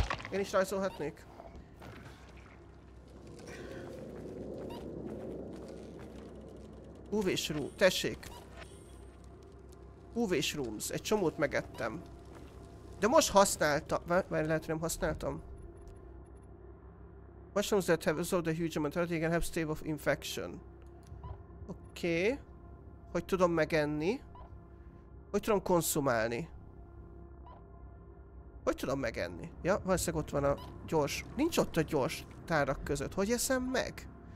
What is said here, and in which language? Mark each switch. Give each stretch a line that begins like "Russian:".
Hungarian: Én is rajzolhatnék. UV shroom, tessék. UV shrooms, egy csomót megettem. De most használtam, mert lehet, hogy nem használtam.
English: Mushrooms that have absorbed a huge amount of energy and have stave of infection.
Hungarian: Oké. Hogy tudom megenni? Hogy tudom konszumálni? Hogy tudom megenni? Ja, valószínűleg ott van a gyors... Nincs ott a gyors tárak között. Hogy eszem meg?